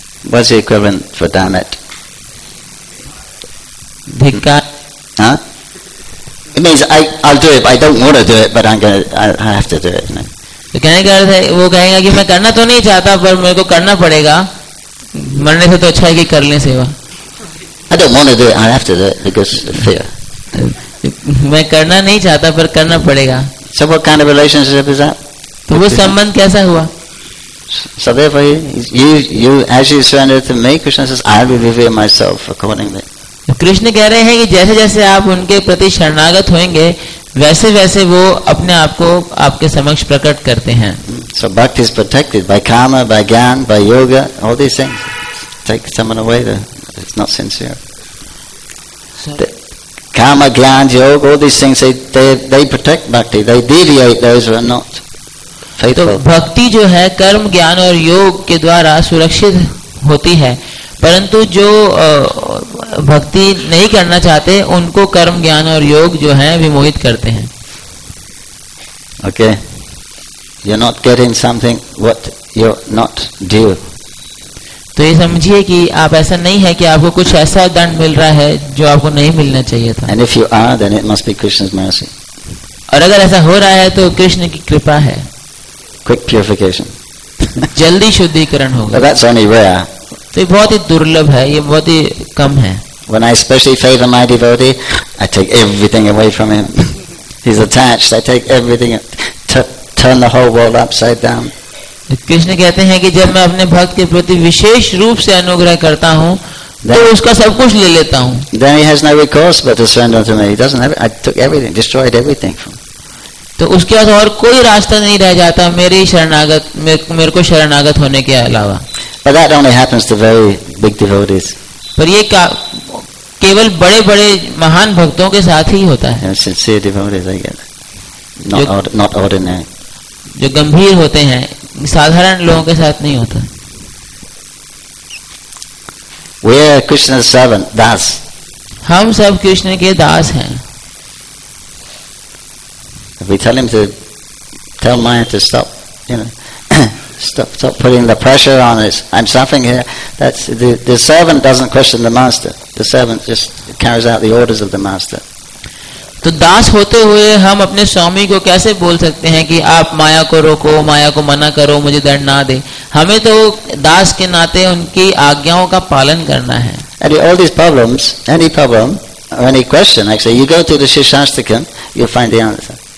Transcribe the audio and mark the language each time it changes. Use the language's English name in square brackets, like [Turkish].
[English] What's the equivalent for damn it? [Hindi] Dhikkar. [English] Huh? It means I'll do it, but I don't want to do it, but I have to do it. [Hindi] तो कहने का अर्थ है वो कहेगा कि मैं करना तो नहीं चाहता पर मेरे को करना पड़ेगा. मरने से तो अच्छा है कि कर लें सेवा. [English] I don't want to do it. I have to do it because of fear. [Hindi] मैं करना नहीं चाहता पर करना पड़ेगा. [English] So what kind of relationship is that? [Hindi] तो वो संबंध कैसा हुआ? [English] So therefore, you as you surrender to me, Krishna says, I will reveal myself accordingly. [Hindi] Krishna कह रहे हैं कि जैसे जैसे आप उनके प्रति शरणागत होंगे वैसे वैसे वो अपने आप को आपके समक्ष प्रकट करते हैं. [English] So bhakti is protected by karma, by jnana, by yoga, all these things. Take someone away, it's not sincere. So, karma, jnana, yoga, all these things, they protect bhakti, they deviate those who are not faithful. [Hindi] तो भक्ति जो है कर्म ज्ञान और योग के द्वारा सुरक्षित होती है परंतु जो भक्ति नहीं करना चाहते उनको कर्म ज्ञान और योग जो है विमोहित करते हैं. [English] Okay, you're not getting something what you're not due. [Hindi] तो ये समझिए कि आप ऐसा नहीं है कि आपको कुछ ऐसा दंड मिल रहा है जो आपको नहीं मिलना चाहिए था. [English] And if you are, then it must be Krishna's mercy. [Hindi] और अगर ऐसा हो रहा है तो कृष्ण की कृपा है. [English] Quick purification. [Hindi] जल्दी शुद्धिकरण होगा. [English] That's only rare. [Hindi] तो ये बहुत ही दुर्लभ है, ये बहुत ही कम है. [English] When I especially favor my devotee, I take everything away from him. He's attached. I take everything. Turn the whole world upside down. [Hindi] Krishna कहते हैं कि जब मैं अपने भक्त के प्रति विशेष रूप से अनुग्रह करता हूँ, तो उसका सब कुछ ले लेता हूँ. [English] Then he has no recourse but to surrender to me. He doesn't have. I took everything. Destroyed everything from. [Hindi] तो उसके बाद और कोई रास्ता नहीं रह जाता मेरे को शरणागत होने के अलावा. [English] But that only happens to very big devotees. [Hindi] पर ये केवल बड़े बड़े महान भक्तों के साथ ही होता है. [English] Sincere devotees, I guess. Not ordinary. [Hindi] जो गंभीर होते हैं साधारण लोगों के साथ नहीं होता. [English] We are Krishna's servant, das. [Hindi] हम सब कृष्ण के दास हैं. [English] We tell him to tell Maya to stop, you know, stop putting the pressure on us. I'm suffering here. That's the servant doesn't question the master. The servant just carries out the orders of the master. [Hindi] तो दास होते हुए हम अपने स्वामी को कैसे बोल सकते हैं कि आप माया को रोको, माया को मना करो, मुझे दंड ना दे. हमें तो दास के नाते उनकी आज्ञाओं का पालन करना है. [English] And all these problems, any problem or any question, actually, you go to the Shishastakam, you'll find the answer.